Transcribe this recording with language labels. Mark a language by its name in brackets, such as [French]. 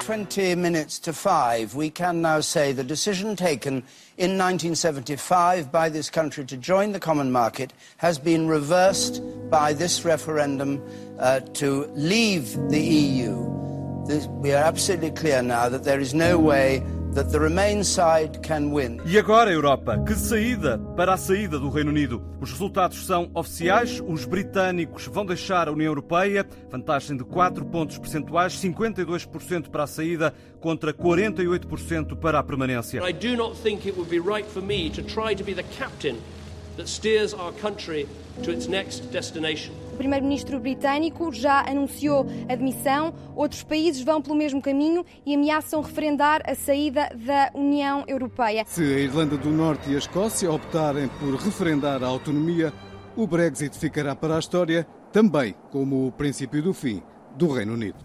[English] 5:20, we can now say the decision taken in 1975 by this country to join the common market has been reversed by this referendum to leave the EU. We are absolutely clear now that there is no way that the Remain side can win. [Portuguese] E agora, Europa, que saída para a saída do Reino Unido? Os resultados são oficiais, os britânicos vão deixar a União Europeia, vantagem de 4 pontos percentuais, 52% para a saída contra 48% para a permanência. [English] I do not think it would be right for me to try to be the captain that steers our country to its next destination. [Portuguese] O primeiro-ministro britânico já anunciou a demissão. Outros países vão pelo mesmo caminho e ameaçam referendar a saída da União Europeia. Se a Irlanda do Norte e a Escócia optarem por referendar a autonomia, o Brexit ficará para a história também como o princípio do fim do Reino Unido.